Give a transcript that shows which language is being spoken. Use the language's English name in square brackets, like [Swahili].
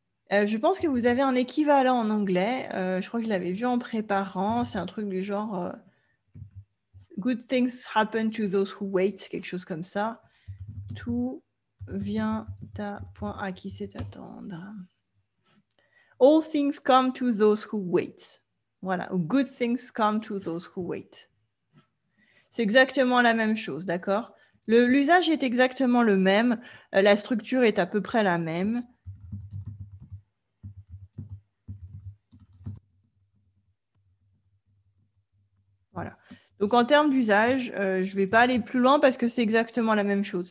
[French] Je pense que vous avez un équivalent en anglais. Je crois que je l'avais vu en préparant. C'est un truc du genre. [English] Good things happen to those who wait, [French] quelque chose comme ça. Tout vient à point à qui sait attendre. [English] All things come to those who wait. Voilà, good things come to those who wait. [French] C'est exactement la même chose, d'accord? L'usage est exactement le même, la structure est à peu près la même. Voilà. Donc en termes d'usage, je ne vais pas aller plus loin parce que c'est exactement la même chose.